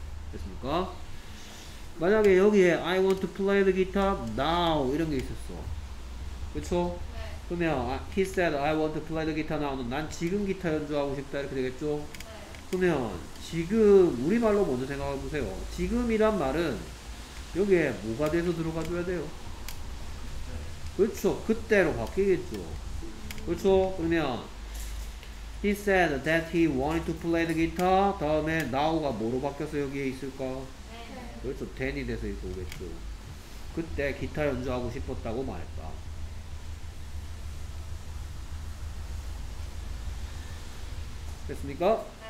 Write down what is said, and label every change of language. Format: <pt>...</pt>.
<ko>됐습니까? 만약에 여기에</ko> <en>I want to play the guitar now</en> <ko>이런 게 있었어. 그렇죠? 그러면</ko> <en>he said I want to play the guitar now</en> <ko>는 난 지금 기타 연주하고 싶다 이렇게 되겠죠? 네. 그러면 지금 우리말로 먼저 생각해 보세요. 지금이란 말은 여기에 뭐가 돼서 들어가 줘야 돼요? 그렇죠. 그때로 바뀌겠죠. 그렇죠.</ko> <en>그러면 he said that he wanted to play the guitar.</en> <ko>다음에 now가 뭐로 바뀌어서 여기에 있을까? 네. 그렇죠. then이 돼서 이렇게 오겠죠. 그때 기타 연주하고 싶었다고 말했다. 됐습니까?</ko>